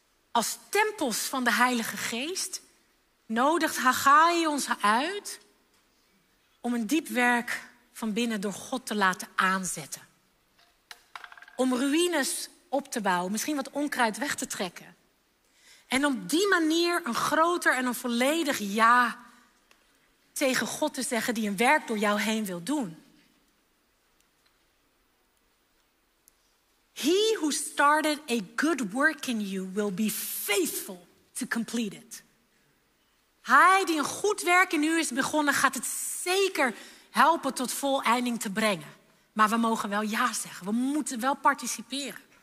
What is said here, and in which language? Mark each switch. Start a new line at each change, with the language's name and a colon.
Dutch: Als tempels van de Heilige Geest nodigt Haggai ons uit om een diep werk van binnen door God te laten aanzetten. Om ruïnes op te bouwen, misschien wat onkruid weg te trekken. En op die manier een groter en een volledig ja tegen God te zeggen die een werk door jou heen wil doen.
English: He who started a good work in you will be faithful to complete it.
Dutch: Hij die een goed werk in u is begonnen, gaat het zeker helpen tot voleinding te brengen. Maar we mogen wel ja zeggen. We moeten wel participeren.